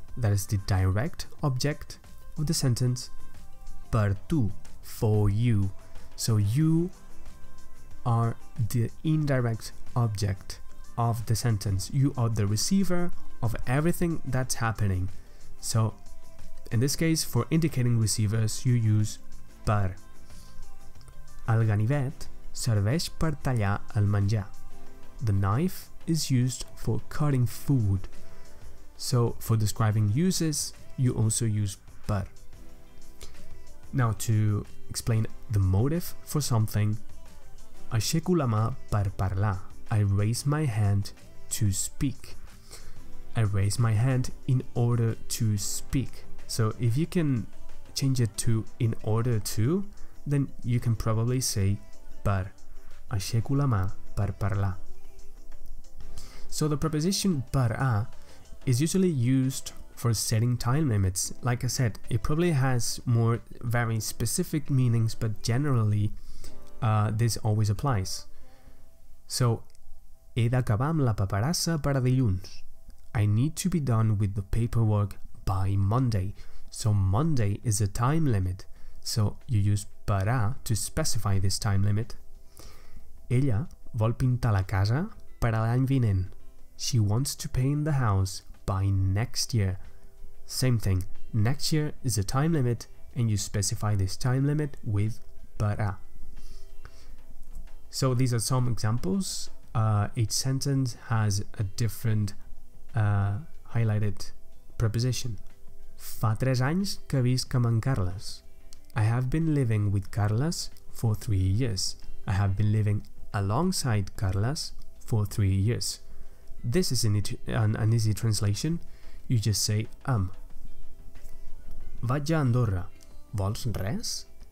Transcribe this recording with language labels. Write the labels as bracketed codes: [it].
[en] That is the direct object of the sentence, per tu, for you. So you are the indirect object of the sentence. You are the receiver of everything that's happening. So in this case, for indicating receivers, you use per. [ca] El ganivet serveix per tallar el menjar. [en] The knife is used for cutting food. So, for describing uses, you also use per. Now, to explain the motive for something, [ca] aixeco la mà per parlar. [en] I raise my hand to speak. I raise my hand in order to speak. So, if you can change it to in order to, then you can probably say per. [ca] Aixeco la mà per parlar. [en] So, the preposition per a is usually used for setting time limits. Like I said, it probably has more very specific meanings, but generally this always applies. [ca] So, he d'acabar amb la paperassa per a dilluns. [en] I need to be done with the paperwork by Monday. So Monday is a time limit. So you use para to specify this time limit. [ca] Ella vol pintar la casa per a l'any vinent. [en] She wants to paint the house by next year. Same thing. Next year is a time limit and you specify this time limit with para. So these are some examples. Each sentence has a different highlighted preposition. [ca] Fa 3 anys que visc amb en Carles. [en] I have been living with Carles for 3 years. I have been living alongside Carles for 3 years. This is an easy translation. You just say am. [ca] Vaig a Andorra. Vols res?